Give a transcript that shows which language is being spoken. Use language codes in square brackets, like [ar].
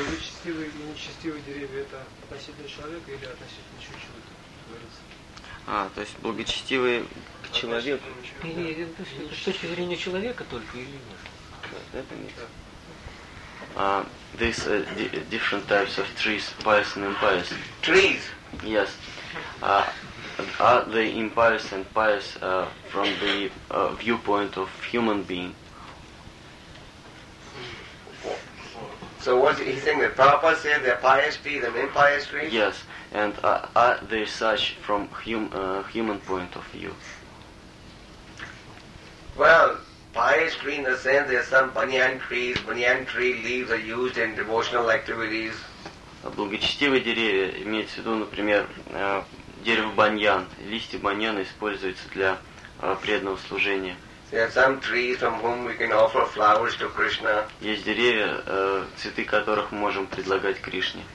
[ru] Нечестивые и нечестивые деревья — это относительно человека или относительно чучела, как говорится? То есть благочестивые к человеку? Нет, это с точки зрения человека только или нет? Это не так. [en] These different types of trees, pious and impious. Trees? Yes. Are they impious and pious from the viewpoint of human being? So what do you think? The Prabhupada said they're pious trees and impious trees? Yes. And are they such from human point of view? Well, pious tree in the sense there's some banyan trees. Banyan tree leaves are used in devotional activities. [ru] Благочестивые деревья, имеется в виду, например, дерево баньян. Листья баньяна используются для преданного служения. [en] There are some trees from whom we can offer flowers to Krishna. [ru] Есть деревья, цветы которых мы можем предлагать Кришне.